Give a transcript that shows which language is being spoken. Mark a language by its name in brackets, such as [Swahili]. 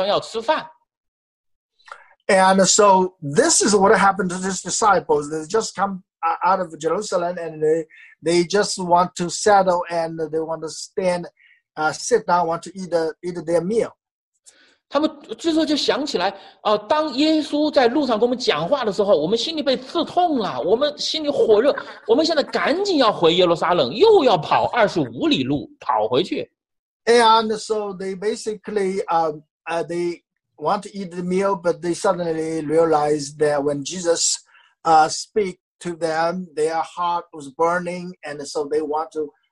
[Chinese] 所以这就是那两个后来心里火热的门徒，他们刚刚从耶路撒冷回来，他们刚刚好不容易坐下来打算要吃饭。 [English] And so this is what happened to these disciples. They just come out of Jerusalem and they just want to settle and they want to stand. Sit down, want to eat their meal. [Chinese] 他们这时候就想起来，当耶稣在路上跟我们讲话的时候，我们心里被刺痛了，我们心里火热，我们现在赶紧要回耶路撒冷，又要跑25里路跑回去。 [English] And so they basically, they want to eat the meal, but they suddenly realize that when Jesus, speak to them, their heart was burning, and so they want to.